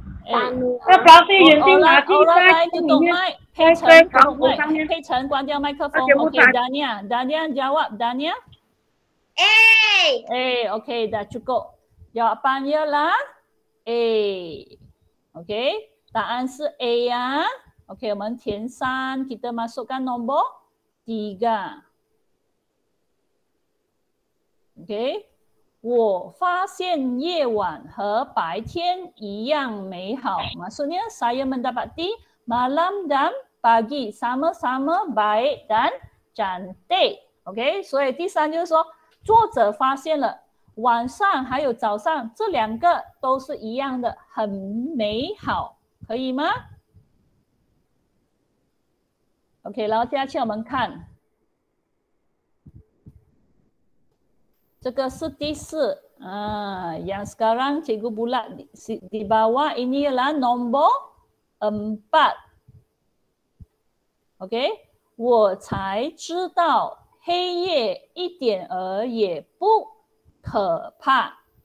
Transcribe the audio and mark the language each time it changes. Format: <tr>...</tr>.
<zh>那把自己眼镜拿进去黑城 关掉 麦克风 OK Dania Dania</zh> <ms>jawab</ms> <zh>Dania A</zh> <ms>A OK dah cukup jawapan ialah A OK</ms> <zh>答案是 A 啊</zh> <ms>OK</ms> <zh>我们填三</zh> <ms>kita masukkan nombor 3 OK</ms> <zh>我发现夜晚和白天一样美好</zh> <ms>Maksudnya saya mendapati malam dan pagi sama-sama baik dan cantik.</ms> <zh>Okay, 所以第三就是说 作者发现了晚上还有早上 这两个都是一样的 很美好 可以吗? Okay, 然后接下去我们看 这个是第四</zh> <ms>yang sekarang cikgu bulat di bawah ini ialah nombor 4.</ms> <zh>Okey, 我才知道黑夜一点儿也不可怕.</zh>